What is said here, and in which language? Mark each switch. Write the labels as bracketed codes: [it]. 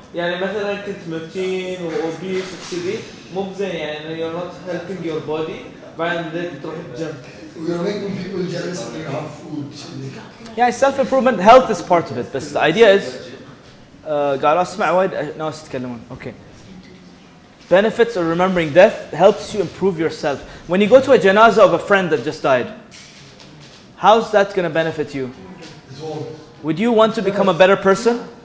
[ar] يعني مثلا كنت متين وأوبيس وكذي مو بزين يعني [en] you're not helping your body [ar] بعدين ذيك تروح الجيم. [en] You're making people jealous when you have food. Yeah, self-improvement, health is part of it. But the idea is, [ar] قال أسمع وايد ناس يتكلمون. [en] Okay. Benefits of remembering death helps you improve yourself. When you go to a janazah of a friend that just died, how's that gonna benefit you? Would you want to become a better person?